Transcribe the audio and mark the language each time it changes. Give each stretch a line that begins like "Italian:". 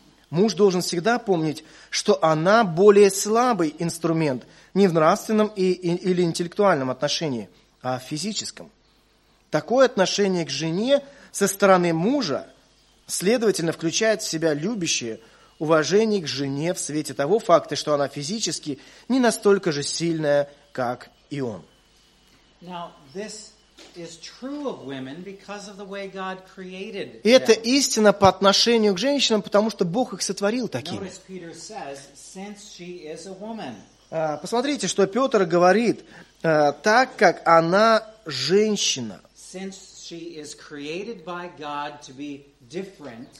Russian: Муж должен всегда помнить, что она более слабый инструмент, не в нравственном или интеллектуальном отношении, а в физическом. Такое отношение к жене со стороны мужа, следовательно, включает в себя любящее уважение к жене в свете того факта, что она физически не настолько же сильная, как и он.
English: Now, this is true of women because of the way God created them.
Russian: И это истина по отношению к женщинам, потому что Бог их сотворил такими.
English: Notice Peter says, since she is a woman.
Russian: Посмотрите, что Петр говорит, так как она женщина.
English: Since she is created by God to be different.